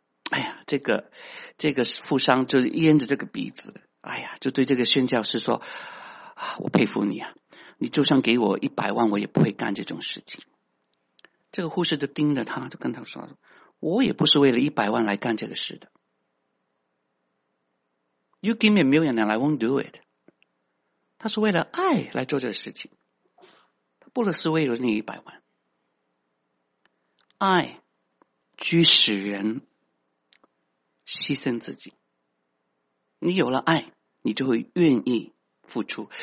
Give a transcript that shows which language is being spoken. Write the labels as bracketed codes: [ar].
[zh] 哎呀，这个富商就咽着这个鼻子，哎呀，就对这个宣教士说，我佩服你啊，你就算给我100万我也不会干这种事情。这个护士就盯着他，就跟他说，我也不是为了100万来干这个事的。 [en] You give me a million and I won't do it。 [zh] 他是为了爱来做这个事情，他不是为了那100万。爱驱使人牺牲自己，你有了爱，你就会愿意付出。